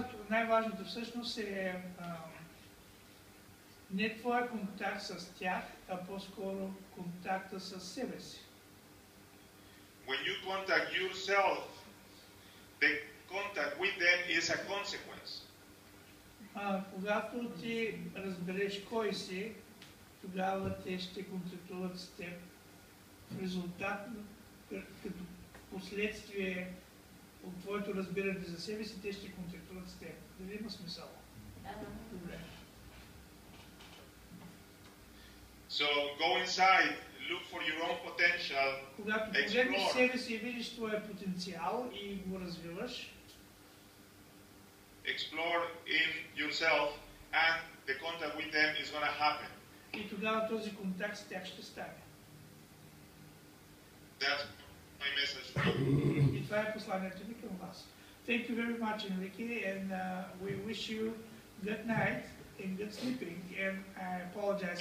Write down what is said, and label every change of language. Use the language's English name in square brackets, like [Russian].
[Bulgarian] Най-важното всъщност е не твоя контакт с тях, а по-скоро контакта с себе си. [English] When you contact yourself, the contact with them is a consequence. [Bulgarian] Когато ти разбереш кой си, тогава те ще контактуват с теб в резултат, като последствие от твоето разбиране за себе си, те ще контактуват с теб. Дали има смисъл? Добре. [English] So go inside, look for your own potential. [Bulgarian] Когато погледнеш себе си и видиш твоя потенциал и го развиваш, [English] explore in yourself and the contact with them is going to happen. [Bulgarian] И тогава този контакт с тях ще стане. [English] That's my message. [Bulgarian] И това е посланието ми към вас. [English] Thank you very much, Enrique, and we wish you good night and good sleeping, and I apologize